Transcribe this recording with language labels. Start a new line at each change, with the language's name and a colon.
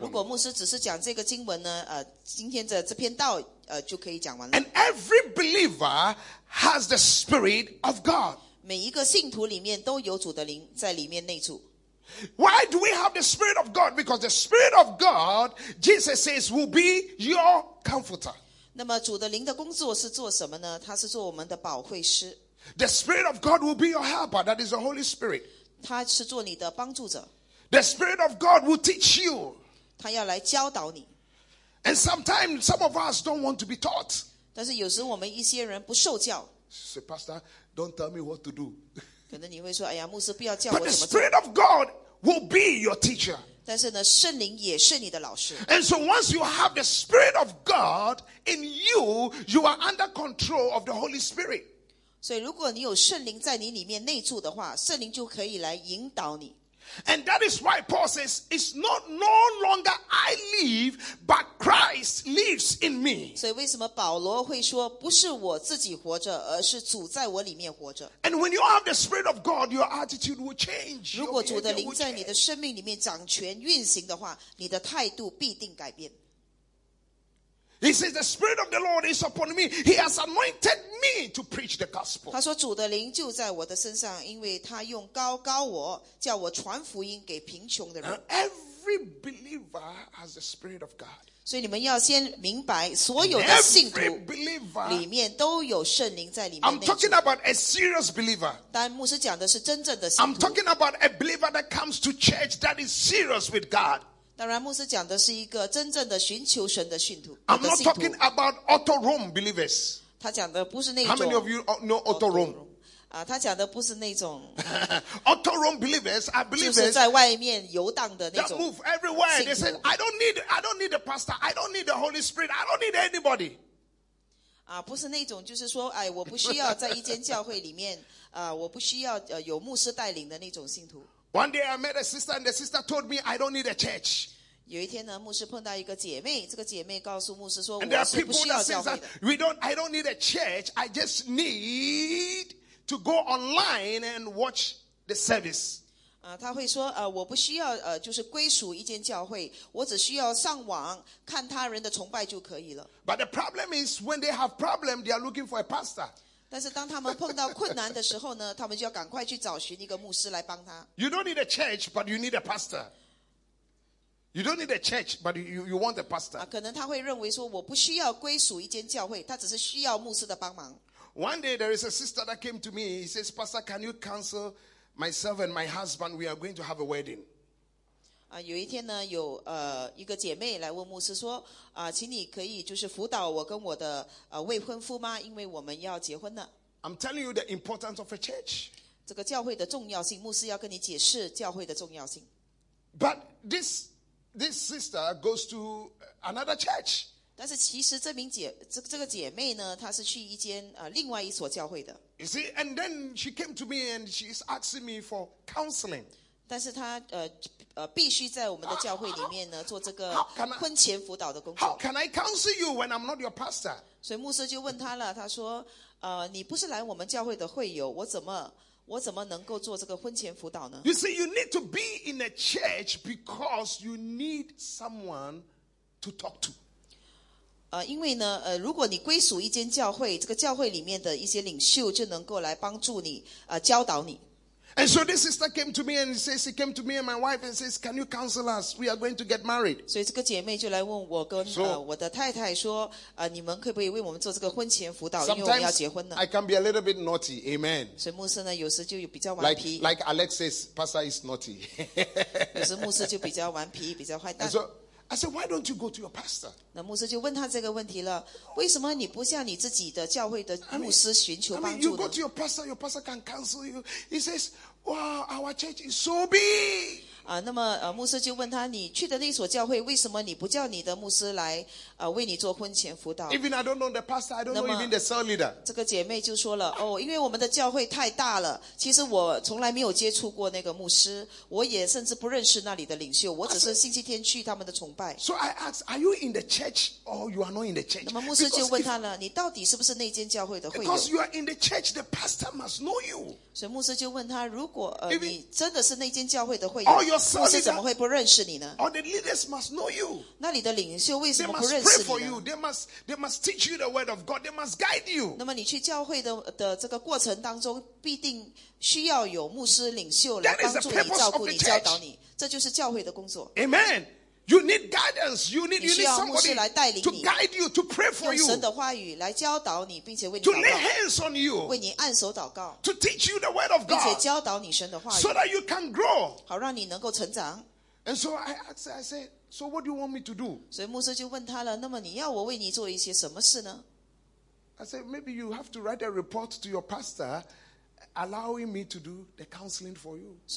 Chinese: 如果牧师只是讲这个经文呢，今天的这篇道，就可以讲完了。
English: And every believer has the Spirit of God.
Chinese: 每一个信徒里面都有主的灵在里面内住。
English: Why do we have the Spirit of God? Because the Spirit of God, Jesus says, will be your comforter.
Chinese: 那么主的灵的工作是做什么呢？他是做我们的保惠师。
English: The Spirit of God will be your helper. That is the Holy Spirit.
Chinese: 他是做你的帮助者。
English: The Spirit of God will teach you.
Chinese: 他要来教导你。
English: And sometimes some of us don't want to be taught.
Chinese: 但是有时我们一些人不受教。
English: Say, Pastor, don't tell me what to do.
Chinese: 可能你会说，哎呀，牧师不要叫我怎么做。
English: But the Spirit of God will be your teacher.
Chinese: 但是呢，圣灵也是你的老师。
English: And so once you have the Spirit of God in you, you are under control of the Holy Spirit.
Chinese: 所以如果你有圣灵在你里面内住的话，圣灵就可以来引导你。
English: And that is why Paul says, it's not no longer I live, but Christ lives in me.
Chinese: 所以为什么保罗会说不是我自己活着，而是主在我里面活着。
English: And when you have the Spirit of God, your attitude will change.
Chinese: 如果主的灵在你的生命里面掌权运行的话，你的态度必定改变。
English: He says, the Spirit of the Lord is upon me. He has anointed me to preach the gospel.
Chinese: 他说主的灵就在我的身上，因为他用膏膏我，叫我传福音给贫穷的人。
English: Now, every believer has the Spirit of God.
Chinese: 所以你们要先明白，所有的信徒里面都有圣灵在里面。
English: I'm talking about a serious believer.
Chinese: 但牧师讲的是真正的信徒。
English: I'm talking about a believer that comes to church that is serious with God.
Chinese: 当然牧师讲的是一个真正的寻求神的信徒。
English: I'm not talking about auto room believers.
Chinese: 他讲的不是那种。
English: How many of you know auto room?
Chinese: 他讲的不是那种。
English: Auto room believers are believers.
Chinese: 就是在外面游荡的那种。
English: That move everywhere. They say, I don't need the pastor. I don't need the Holy Spirit. I don't need anybody.
Chinese: 不是那种就是说哎我不需要在一间教会里面我不需要有牧师带领的那种信徒。
English: One day I met a sister and the sister told me I don't need a church.
Chinese: 有一天呢牧师碰到一个姐妹，这个姐妹告诉牧师说，
English: And there are people that says that I don't need a church, I just need to go online and watch the service.
Chinese: 她会说我不需要就是归属一间教会，我只需要上网看他人的崇拜就可以了。
English: But the problem is when they have problem, they are looking for a pastor.
Chinese: 但是当他们碰到困难的时候呢，他们就要赶快去找寻一个牧师来帮他。
English: You don't need a church, but you need a pastor. You don't need a church, but you want a pastor.
Chinese: 可能他会认为说，我不需要归属一间教会，他只是需要牧师的帮忙。
English: One day there is a sister that came to me. He says, Pastor, can you counsel myself and my husband? We are going to have a wedding.
Chinese: 有一天呢，有一个姐妹来问牧师说，请你可以就是辅导我跟我的未婚夫吗？因为我们要结婚了。
English: I'm telling you the importance of a church.
Chinese: 这个教会的重要性，牧师要跟你解释教会的重要性。
English: But this sister goes to another church.
Chinese: 但是其实这个姐妹呢，她是去一间另外一所教会的。
English: You see, and then she came to me and she's asking me for counseling.
Chinese: 但是他必须在我们的教会里面呢做这个婚前辅导的工作。
English: How can I counsel you when I'm not your pastor?
Chinese: 所以牧师就问他了，他说你不是来我们教会的会友，我怎么能够做这个婚前辅导呢？
English: You see, you need to be in a church because you need someone to talk to.
Chinese: 因为呢如果你归属一间教会，这个教会里面的一些领袖就能够来帮助你教导你。
English: And so this sister came to me and says, she came to me and my wife and says, can you counsel us? We are going to get married.
Chinese: 所以这个姐妹就来问我跟我的太太说，你们可不可以为我们做这个婚前辅导，因为我们要结婚呢。
English: I can be a little bit naughty, amen.
Chinese: 所以牧师呢，有时就比较顽皮。
English: Like Alex says, Pastor is naughty.
Chinese: 有时牧师就比较顽皮，比较坏蛋。
English: And so I said, why don't you go to your pastor?
Chinese: 那牧师就问他这个问题了，为什么你不向你自己的教会的牧师寻求帮助呢？
English: I mean, you go to your pastor, your pastor can counsel you. He says, wow, our church is so big.
Chinese: 那么牧师就问他，你去的那所教会，为什么你不叫你的牧师来为你做婚前辅导？
English: Even I don't know the pastor, I don't know even the cell leader.
Chinese: 这个姐妹就说了，因为我们的教会太大了，其实我从来没有接触过那个牧师，我也甚至不认识那里的领袖，我只是星期天去他们的崇拜。
English: So I asked, are you in the church or you are not in the church?
Chinese: 那么牧师就问他了，你到底是不是那间教会的会
English: 友？ Because you are in the church, the pastor must know you. 所以牧师就问他，如果你真的是那间教会的会友， your son is that, or the leaders must know you. They must pray for you. They must teach you the word of God. They must guide you.
Chinese: 那么你去教会的这个过程当中，必定 需要有牧师领袖来帮助你、照顾你、教导你，这就是教会的工作。
English: Amen. You need guidance. You need somebody to guide you, to pray for you.
Chinese: 用神的话语来教导你，并且为你祷告。
English: To lay hands on you.
Chinese: 为你按手祷告。
English: To teach you the word of God.
Chinese: 并且教导你神的话语。
English: So that you can grow.
Chinese: 好让你能够成长。
English: And so I asked, I said, so what do you want me to do?
Chinese: 所以牧师就问他了，那么你要我为你做一些什么事呢？
English: I said, maybe you have to write a report to your pastor, allowing me to do the counseling for you.